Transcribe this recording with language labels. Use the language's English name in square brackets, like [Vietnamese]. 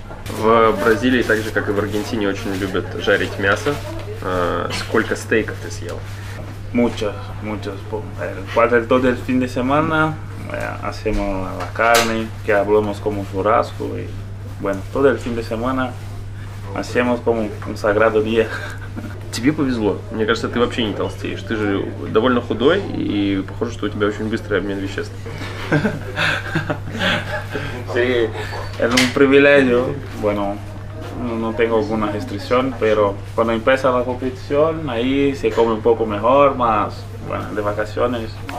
[Russian] В Бразилии, так же как и в Аргентине, очень любят жарить мясо. Сколько стейков ты съел? [Spanish] Muchos. Cuatro todo el fin de semana, hacemos la carne, que hablamos como churrasco y bueno, todo el fin de semana hacemos como un sagrado día. [Russian] Тебе повезло. Мне кажется, ты вообще не толстеешь. Ты же довольно худой, и похоже, что у тебя очень быстрый обмен веществ. [Spanish] Sí, es un privilegio. Bueno, no tengo alguna restricción, pero cuando empieza la competición, ahí se come un poco mejor, más bueno, de vacaciones.